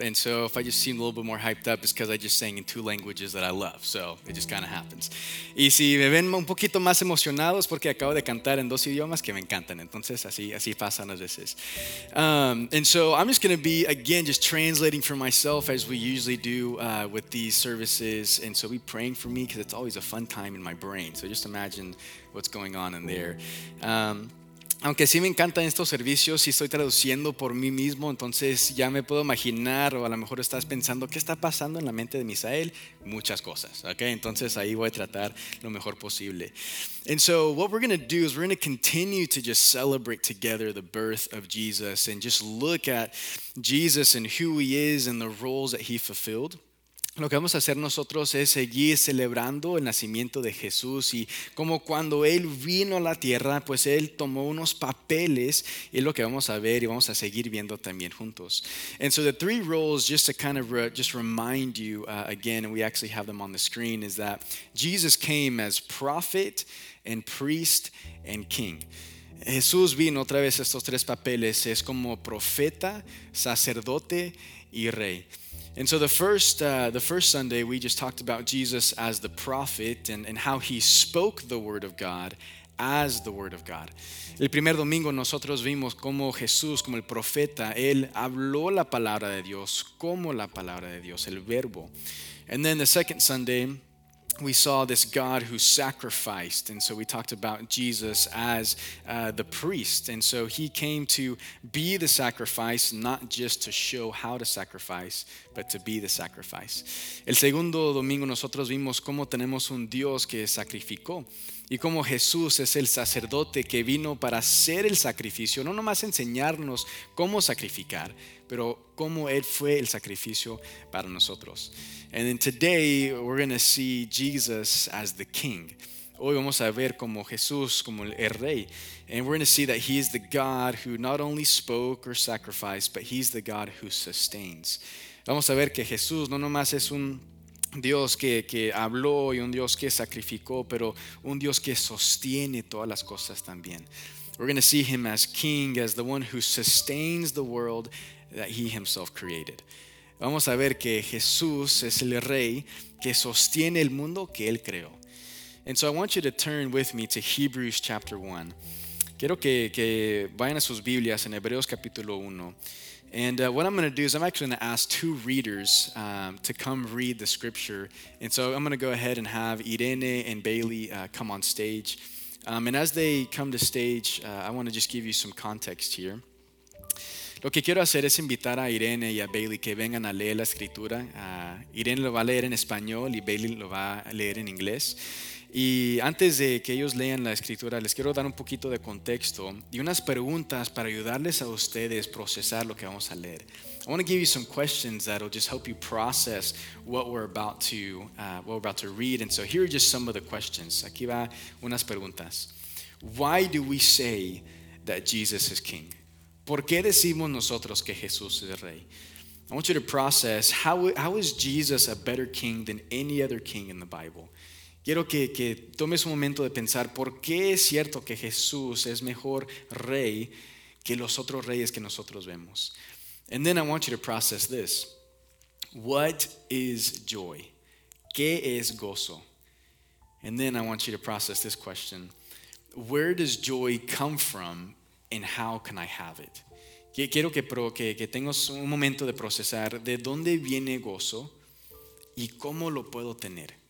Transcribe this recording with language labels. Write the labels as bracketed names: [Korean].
[English] And so if I just seem a little bit more hyped up, it's because I just sang in two languages that I love. So it just kind of happens. [Spanish] Y si me ven un poquito más emocionado es porque acabo de cantar en dos idiomas que me encantan. Entonces así pasan las veces. [English] And so I'm just going to be, again, just translating for myself as we usually do with these services. And so be praying for me because it's always a fun time in my brain. So just imagine what's going on in there. [Spanish] Aunque sí me encantan estos servicios, sí estoy traduciendo por mí mismo, entonces ya me puedo imaginar, o a lo mejor estás pensando, ¿qué está pasando en la mente de Misael? Muchas cosas, ¿ok? Entonces ahí voy a tratar lo mejor posible. [English] And so what we're going to do is we're going to continue to just celebrate together the birth of Jesus and just look at Jesus and who he is and the roles that he fulfilled. [Spanish] Lo que vamos a hacer nosotros es seguir celebrando el nacimiento de Jesús y como cuando Él vino a la tierra, pues Él tomó unos papeles y es lo que vamos a ver y vamos a seguir viendo también juntos. [English] And so the three roles, just to kind of just remind you again, and we actually have them on the screen, is that Jesus came as prophet and priest and king. [Spanish] Jesús vino otra vez estos tres papeles, es como profeta, sacerdote y rey. [English] And so the first Sunday, we just talked about Jesus as the prophet and how he spoke the word of God as the word of God. [Spanish] El primer domingo nosotros vimos cómo Jesús, como el profeta, él habló la palabra de Dios como la palabra de Dios, el verbo. [English] And then the second Sunday, we saw this God who sacrificed. And so we talked about Jesus as the priest. And so he came to be the sacrifice, not just to show how to sacrifice, but to be the sacrifice. [Spanish] El segundo domingo nosotros vimos cómo tenemos un Dios que sacrificó. Y como Jesús es el sacerdote que vino para hacer el sacrificio, no nomás enseñarnos cómo sacrificar, pero cómo Él fue el sacrificio para nosotros. [English] And then today we're going to see Jesus as the king. [Spanish] Hoy vamos a ver como Jesús, como el rey. [English] And we're going to see that he is the God who not only spoke or sacrificed, but he's the God who sustains. [Spanish] Vamos a ver que Jesús no nomás es un Dios que habló y un Dios que sacrificó, pero un Dios que sostiene todas las cosas también. [English] We're going to see him as king, as the one who sustains the world that he himself created. [Spanish] Vamos a ver que Jesús es el rey que sostiene el mundo que él creó. [English] And so I want you to turn with me to Hebrews chapter 1. [Spanish] Quiero que vayan a sus Biblias en Hebreos capítulo 1. [English] And what I'm going to do is I'm actually going to ask two readers to come read the scripture. And so I'm going to go ahead and have Irene and Bailey come on stage. And as they come to stage, I want to just give you some context here. [Spanish] Lo que quiero hacer es invitar a Irene y a Bailey que vengan a leer la escritura. Irene lo va a leer en español y Bailey lo va a leer en inglés. Y antes de que ellos lean la escritura, les quiero dar un poquito de contexto y unas preguntas para ayudarles a ustedes procesar lo que vamos a leer. [English] I want to give you some questions that will just help you process what we're about to read. And so here are just some of the questions. [Spanish] Aquí va unas preguntas. [English] Why do we say that Jesus is king? [Spanish] ¿Por qué decimos nosotros que Jesús es rey? [English] I want you to process how is Jesus a better king than any other king in the Bible? [Spanish] Quiero que tomes un momento de pensar por qué es cierto que Jesús es mejor rey que los otros reyes que nosotros vemos. [English] And then I want you to process this. What is joy? [Spanish] ¿Qué es gozo? [English] And then I want you to process this question. Where does joy come from and how can I have it? [Spanish] Quiero que tengas un momento de procesar de dónde viene gozo y cómo lo puedo tener.